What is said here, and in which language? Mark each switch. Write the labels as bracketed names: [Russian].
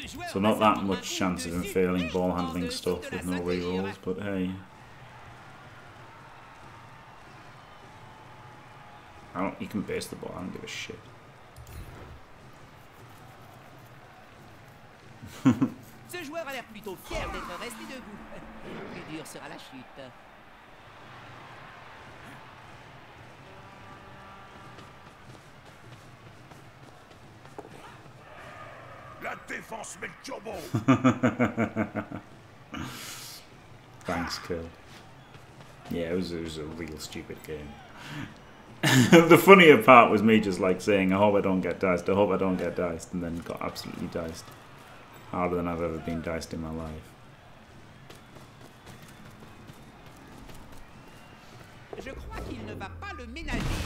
[English] So not that much chance of him failing ball handling stuff with no rerolls, but hey. You can base the ball, I don't give a shit. [French] Ce joueur a l'air plutôt fier d'être resté debout. Plus dur sera la chute. La défense met le turbo. [English] Thanks, Kill. Yeah, it was a real stupid game. The funnier part was me just like saying, I hope I don't get diced, I hope I don't get diced, and then got absolutely diced. Harder than I've ever been diced in my life. [French] Je crois qu'il ne va pas le ménager.